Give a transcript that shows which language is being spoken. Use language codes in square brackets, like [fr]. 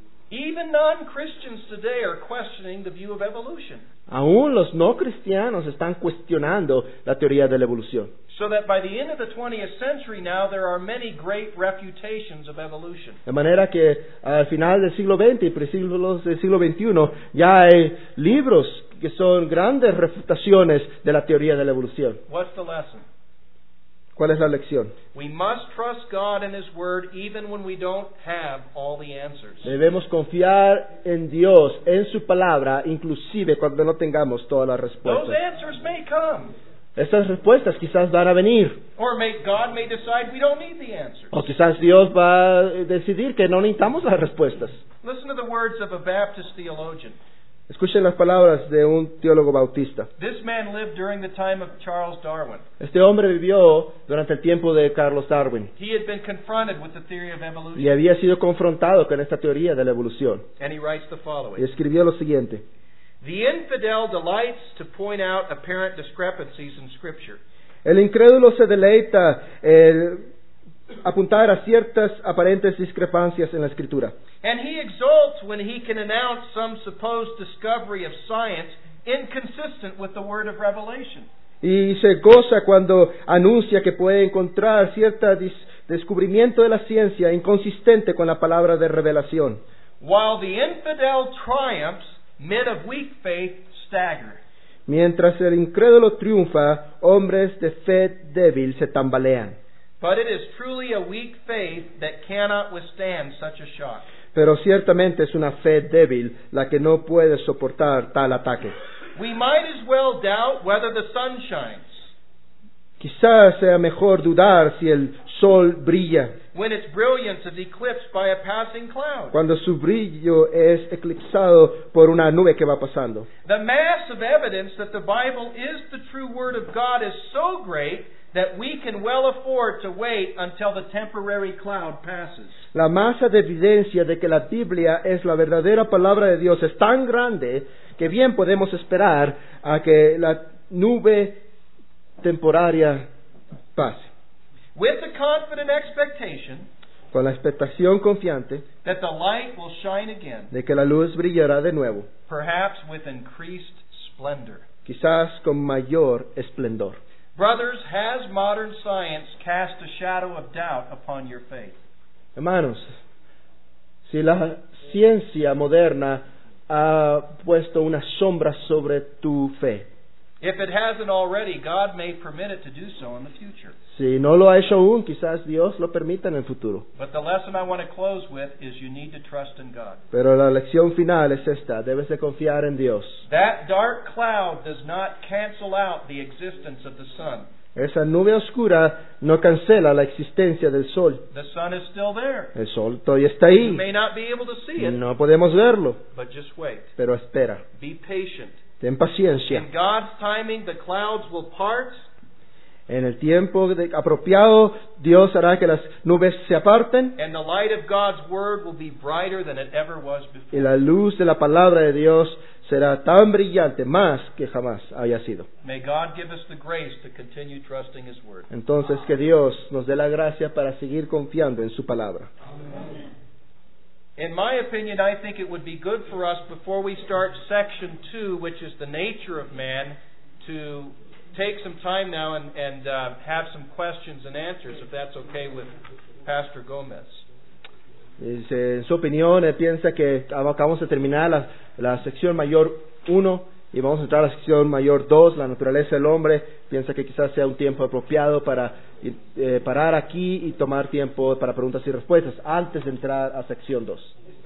[en] Even non-Christians today are questioning the view of evolution. [es] Aún los no cristianos están cuestionando la teoría de la evolución. [en] So that by the end of the 20th century now there are many great refutations of evolution. [es] De manera que al final del siglo XX y principios del siglo XXI ya hay libros que son grandes refutaciones de la teoría de la evolución. [en] What's the lesson? [es] ¿Cuál es la lección? [en] We must trust God and His Word even when we don't have all the answers. [es] Debemos confiar en Dios, en su palabra, inclusive cuando no tengamos todas las respuestas. [en] Those answers may come. [es] Esas respuestas quizás van a venir. [en] Or may God may decide we don't need the answers. [es] O quizás Dios va a decidir que no necesitamos las respuestas. [en] Listen to the words of a Baptist theologian. [es] Escuchen las palabras de un teólogo bautista. [en] This man lived during the time of Charles Darwin. [es] Este hombre vivió durante el tiempo de Carlos Darwin. [en] He had been confronted with the theory of evolution. [es] Y había sido confrontado con esta teoría de la evolución. [en] And he writes the following. [es] Y escribió lo siguiente. [en] The infidel delights to point out apparent discrepancies in Scripture. [es] El incrédulo se deleita en apuntar a ciertas aparentes discrepancias en la Escritura. [en] And he exults when he can announce some supposed discovery of science inconsistent with the word of revelation. [es] Y se goza cuando anuncia que puede encontrar cierto descubrimiento de la ciencia inconsistente con la palabra de revelación. [en] While the infidel triumphs, men of weak faith stagger. [es] Mientras el incrédulo triunfa, hombres de fe débil se tambalean. [en] But it is truly a weak faith that cannot withstand such a shock. [es] Pero ciertamente es una fe débil la que no puede soportar tal ataque. [en] We might as well doubt whether the sun shines. [es] Quizás sea mejor dudar si el sol brilla. [en] When its brilliance is eclipsed by a passing cloud. [es] Cuando su brillo es eclipsado por una nube que va pasando. [en] The mass of evidence that the Bible is the true word of God is so great that we can well afford to wait until the temporary cloud passes. [es] La masa de evidencia de que la Biblia es la verdadera palabra de Dios es tan grande que bien podemos esperar a que la nube temporaria pase. [en] With the confident expectation, [es] con la expectación confiante, [en] that the light will shine again, [es] de que la luz brillará de nuevo, [en] perhaps with increased splendor, [es] quizás con mayor esplendor. [en] Brothers, has modern science cast a shadow of doubt upon your faith? [es] Hermanos, si la ciencia moderna ha puesto una sombra sobre tu fe. [en] If it hasn't already, God may permit it to do so in the future. [es] Si no lo ha hecho aún, quizás Dios lo permita en el futuro. [en] But the lesson I want to close with is you need to trust in God. [es] Pero la lección final es esta, debes de confiar en Dios. [en] That dark cloud does not cancel out the existence of the sun. [es] Esa nube oscura no cancela la existencia del sol. [en] The sun is still there. [es] El sol todavía está ahí. [en] You may not be able to see it. [es] No podemos verlo. [en] But just wait. [es] Pero espera. [en] Be patient. [es] Ten paciencia. [en] In God's timing, the clouds will part. [es] En el tiempo apropiado, Dios hará que las nubes se aparten. [en] And the light of God's word will be brighter than it ever was before. [es] Y la luz de la palabra de Dios será tan brillante, más que jamás haya sido. [en] May God give us the grace to continue trusting His word. [es] Entonces, que Dios nos dé la gracia para seguir confiando en su palabra. [en] In my opinion, I think it would be good for us before we start section 2, which is the nature of man, to take some time now and have some questions and answers, if that's okay with Pastor Gomez. [es] En su opinión, piensa que acabamos de terminar la sección mayor 1 y vamos a entrar a la sección mayor 2, la naturaleza del hombre. Piensa que quizás sea un tiempo apropiado para parar aquí y tomar tiempo para preguntas y respuestas antes de entrar a sección 2.